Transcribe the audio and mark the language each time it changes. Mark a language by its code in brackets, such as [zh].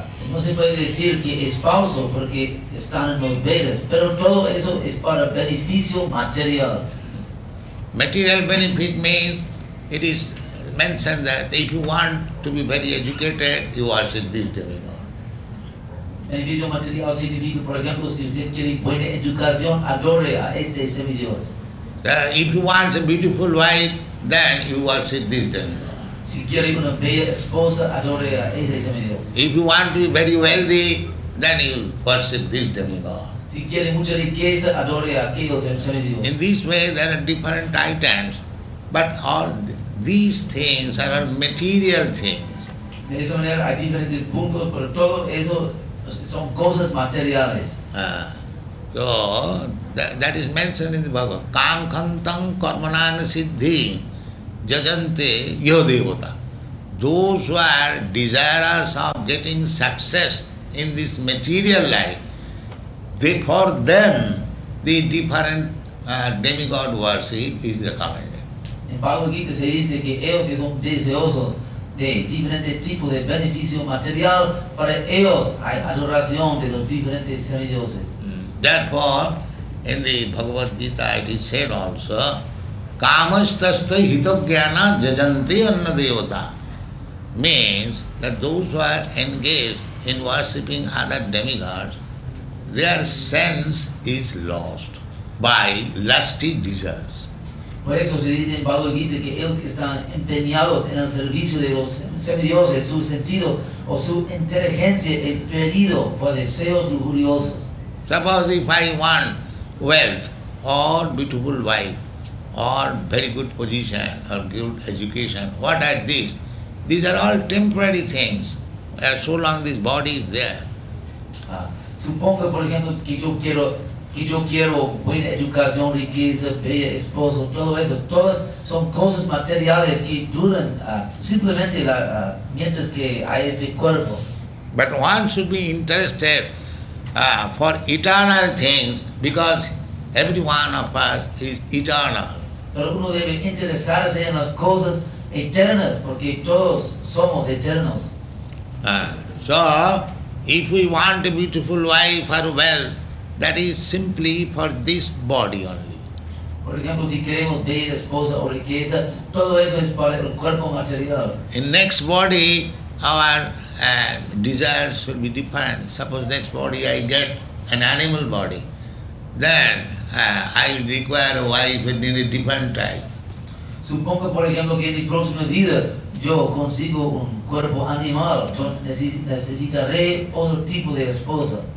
[es] No se puede decir que es falso porque están en los Vedas, pero todo eso es para beneficio material. [en] Material benefit means it is mentioned that if you want to be very educated, you worship this demigod. [es] Beneficio material significa, por ejemplo, si usted quiere buena educación, adore a este semidios. [en] If you want a beautiful wife, then you worship this demigod. [es] Si quiere una bella esposa, adore a este semidios. [en] If you want to be very wealthy, then you worship this demigod. [es] Si quiere mucha riqueza, adore a aquellos semidios. [en] In this way, there are different titans, but all these things are material things. [es] De esa manera hay diferentes puntos, pero todo eso son cosas materiales. [en] So that is mentioned in the Bhagavad. [sa] Kam khantam karmanam siddhi jajante yo devata. [en] Those who are desirous of getting success in this material life, they, for them, the different demigod worship is recommended. [es] En Bhagavad Gita se dice que ellos que son deseosos de diferentes tipos de beneficio material, para ellos hay adoración de los diferentes semidioses. [en] Therefore, in the Bhagavad Gita it is said also, [sa] kamastasta hitogyana jajanti anna devata, [en] means that those who are engaged in worshipping other demigods, their sense is lost by lusty desires. [es] Por eso se dice en Bhagavad Gita que ellos que están empeñados en el servicio de los semidioses, su sentido o su inteligencia es perdido por deseos lujuriosos. [en] Suppose if I want wealth, or beautiful wife, or very good position, or good education, what are these? These are all temporary things, so long this body is there. [es] Suponga, por ejemplo, que yo quiero buena educación, riqueza, bella esposo, todo eso. Todas son cosas materiales que duran simplemente mientras que hay este cuerpo. [en] But one should be interested for eternal things, because every one of us is eternal. [es] Pero uno debe interesarse en las cosas eternas, porque todos somos eternos. [en] So, if we want a beautiful wife or wealth, that is simply for this body only. [es] Por ejemplo, si queremos bella esposa o riqueza, todo eso es para el cuerpo material. [en] In next body, our desires will be different. Suppose next body I get an animal body, then I will require a wife in a different type. [es] Suponga, por ejemplo, que en mi próxima vida yo consigo un cuerpo animal, necesitaré otro tipo de esposa.